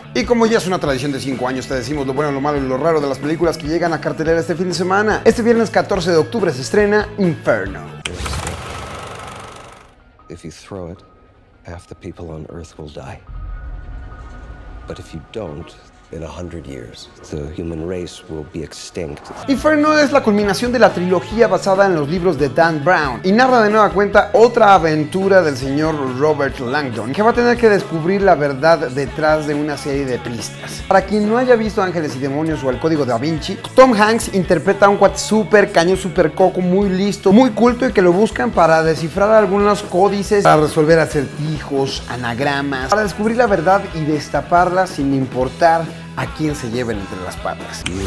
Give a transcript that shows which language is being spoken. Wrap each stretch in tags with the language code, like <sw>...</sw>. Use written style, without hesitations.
<es>Y como ya es una tradición de 5 años, te decimos lo bueno, lo malo y lo raro de las películas que llegan a cartelera este fin de semana. Este viernes 14 de octubre se estrena Inferno.</es> <en>If you throw it, half the people on Earth will die. But if you don't, in 100 years, the human race will be extinct.</en> <es>Inferno es la culminación de la trilogía basada en los libros de Dan Brown y narra de nueva cuenta otra aventura del señor Robert Langdon, que va a tener que descubrir la verdad detrás de una serie de pistas. Para quien no haya visto Ángeles y Demonios o El Código de Da Vinci, Tom Hanks interpreta a un cuate súper cañón, súper coco, muy listo, muy culto, y que lo buscan para descifrar algunos códices, para resolver acertijos, anagramas, para descubrir la verdad y destaparla sin importar a quien se lleven entre las patas.</es>